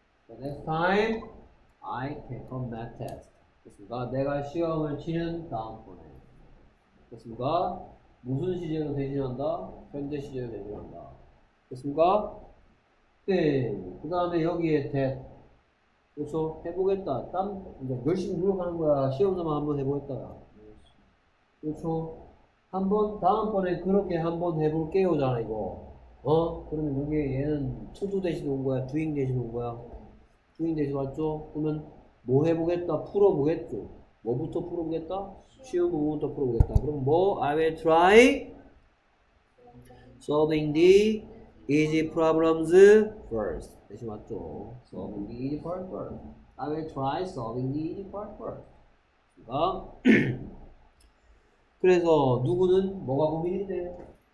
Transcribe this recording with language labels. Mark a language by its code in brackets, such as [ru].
[en] The next time I take a math test. [ko] 됐습니까? 내가 시험을 치는 다음번에. 됐습니까? 무슨 시제로 대신한다? 현재 시제로 대신한다. 됐습니까? 네. 그 다음에 여기에 that. 그렇죠? 해보겠다. 땀, 이제 열심히 노력하는 거야. 시험서만 한번 해보겠다. 그렇죠? 한번, 다음번에 그렇게 한번 해볼게요. 잖아, 이거. 어? 그러면 여기에 얘는 to도 대신 온 거야? doing 대신 온 거야? 주인 되지 맞죠? 그러면 뭐 해보겠다? 풀어보겠죠? 뭐부터 풀어보겠다? 쉬운 부분부터 풀어보겠다. 그럼 뭐? [en] I will try solving the easy problems first. [ko] 되지 맞죠? [en] Solving the easy part first. I will try solving the easy part first. [ko] 어? 그래서 누구는 뭐가 고민인데?